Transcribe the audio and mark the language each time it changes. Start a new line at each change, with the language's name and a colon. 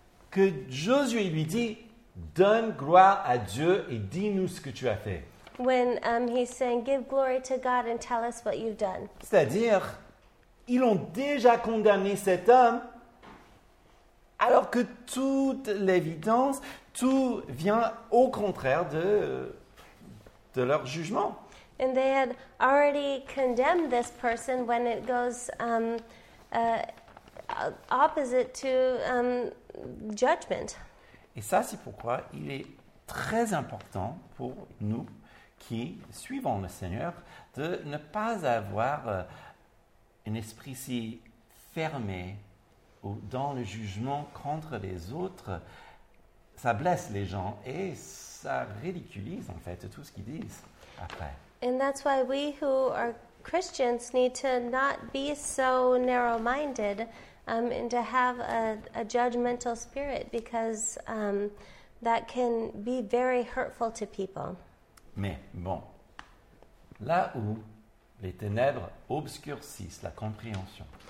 French: Que Josué lui dit, donne gloire à Dieu et dis-nous ce que tu as fait.
English: When he's saying, give glory to God and tell us what you've done.
French: C'est-à-dire, ils ont déjà condamné cet homme, alors que toute l'évidence, tout vient au contraire de leur jugement.
English: And they had already condemned this person when it goes opposite to judgment.
French: Et ça, c'est pourquoi il est très important pour nous qui suivons le Seigneur de ne pas avoir un esprit si fermé ou dans le jugement contre les autres. Ça blesse les gens et ça ridiculise en fait tout ce qu'ils disent après.
English: And that's why we who are Christians need to not be so narrow-minded. And to have a judgmental spirit, because that can be very hurtful to people.
French: Mais bon, là où les ténèbres obscurcissent la compréhension.